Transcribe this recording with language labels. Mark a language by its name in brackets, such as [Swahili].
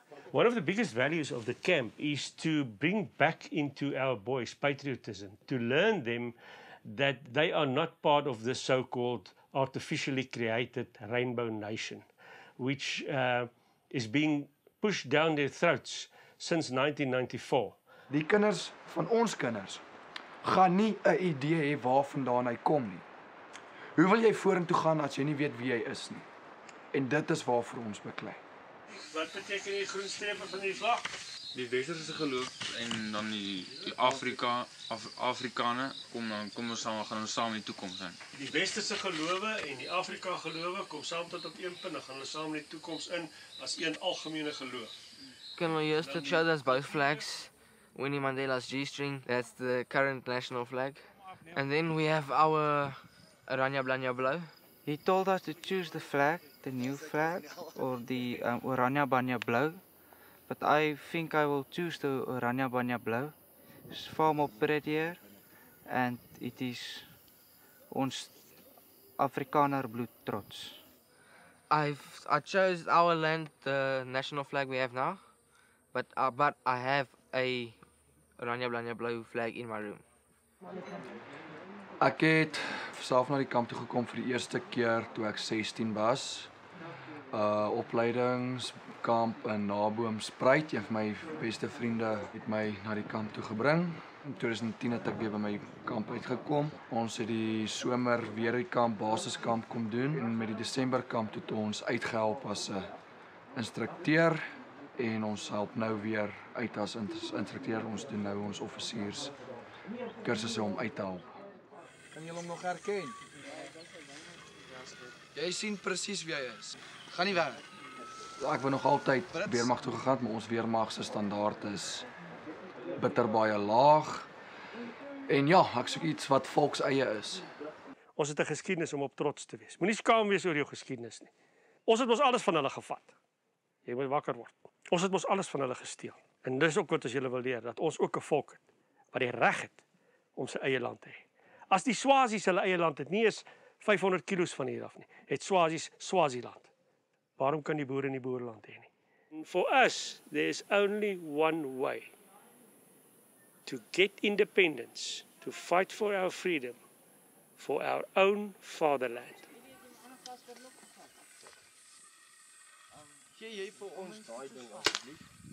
[English] One of the biggest values of the camp is to bring back into our boys patriotism, to learn them that they are not part of the so-called artificially created rainbow nation, which is being pushed down their throats since 1994. [Afrikaans] Die kinders van ons kinders gaan nie 'n idee hê waar vandaan hy kom nie. Hoe wil jy vorentoe gaan as jy nie weet wie jy is nie? En dit is waarvoor ons beklei. Wat beteken die groen strepe van die vlag? Die westerse geloof en dan die Afrika, Afrikane, kom ons saam, gaan ons saam in die toekoms in. Die westerse gelowe en die Afrika gelowe kom saam tot op een punt, gaan ons saam in die toekoms in as een algemene geloof. [English] Can we use the Childers both flags? Winnie Mandela's G-string, that's the current national flag. And then we have our Oranje Blanje Blue. He told us to choose the flag, the new flag, or the Oranje Banja Blue. But I think I will choose the Oranje Banja Blue. It's far more prettier, and it is ons Afrikaner bloed trots. I chose our land, the national flag we have now, but I have a Oranje Banja Blue flag in my room. [Afrikaans] Ek het self na die kamp toe gekom vir die eerste keer toe ek 16 was. Opleidingskamp in Naboomspruit, een van my beste vriende het my na die kamp toe gebring. In 2010 het ek weer by my kamp uitgekom. Ons het die somer weer die kamp basiskamp kom doen en met die Desemberkamp het ons uitgehelp as 'n instrukteur en ons help nou weer uit as instrukteur. Ons doen nou ons offisiers kursusse om uit te help. Kan jy hom nog herken? Jy sien presies wie hy is. Gaan nie weg. Ik ben nog altijd Weermacht toegegaan, maar ons Weermachtse standaard is bitter baie laag. En ja, ek soek iets wat volks eie is. Ons het 'n geskiedenis om op trots te wees. Moenie skaam wees oor jou geskiedenis nie. Ons het mos alles van hulle gevat. Jy moet wakker word. Ons het mos alles van hulle gesteel. En dis ook wat ons julle wil leer, dat ons ook 'n volk het, wat die reg het om sy eie land te hê. As die Swazis hulle eie land het, nie eens 500 kilos van hier af nie, het Swazis Swaziland. Waarom kan die boere nie boerland hê nie? For us, there is only one way. [English] To get independence, to fight for our freedom, for our own fatherland. [Afrikaans] Gee jy vir ons daai ding asseblief?